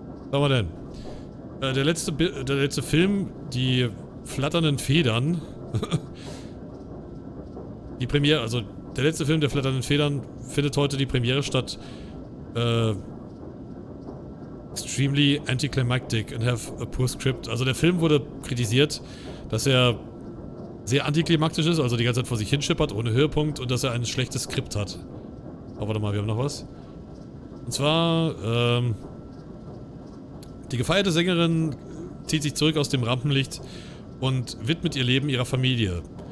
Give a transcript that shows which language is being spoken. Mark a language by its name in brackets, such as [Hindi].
[German] Was haben wir denn? Der letzte Film, die flatternden Federn. Die Premiere, also der letzte Film der flatternden Federn findet heute die Premiere statt. [English] Extremely anticlimactic and have a poor script. [German] Also der Film wurde kritisiert, dass er sehr antiklimaktisch ist, also die ganze Zeit vor sich hinschippert, ohne Höhepunkt und dass er ein schlechtes Skript hat. Oh, warte mal, wir haben noch was. Und zwar, die gefeierte Sängerin zieht sich zurück aus dem Rampenlicht und widmet ihr Leben ihrer Familie.